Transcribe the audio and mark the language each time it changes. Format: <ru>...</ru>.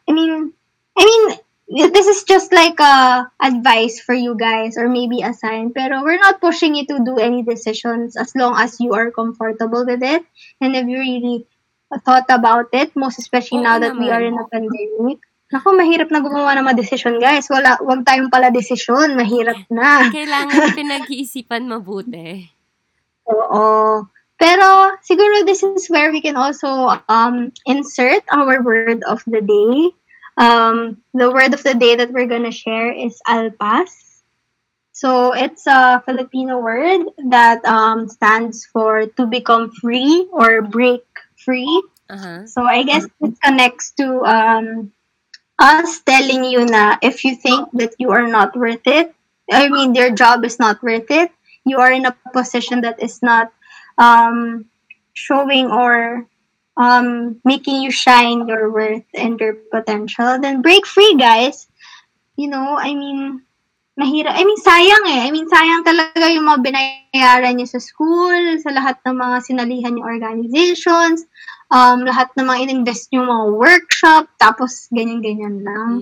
<en>I mean, this is just like advice for you guys or maybe a sign.</en> <tl>Pero</tl> <en>we're not pushing you to do any decisions as long as you are comfortable with it. And if you really thought about it, most especially now that we are in a pandemic.</en> <tl>Ako, mahirap na gumawa ng mga decision,</tl> <en>guys.</en> <tl>Wala, huwag tayong pala decision. Mahirap na. Kailangan pinag-iisipan mabuti. Oo. Pero, siguro</tl> <en>this is where we can also insert our word of the day. The word of the day that we're gonna share is ALPAS. So, it's a Filipino word that stands for to become free or break free. Uh-huh. So, I guess it connects to us telling you</en> <tl>na</tl> <en>if you think that you are not worth it, I mean, your job is not worth it, you are in a position that is not showing or making you shine your worth and your potential, then break free, guys. You know, I mean,</en> <tl>mahirap.</tl> <en>I mean,</en> <tl>sayang eh. I mean, sayang talaga yung mga binayaran niyo sa school, sa lahat ng mga sinalihan niyo organizations, lahat ng mga in-invest niyo mga workshop, tapos ganyan-ganyan lang.</tl>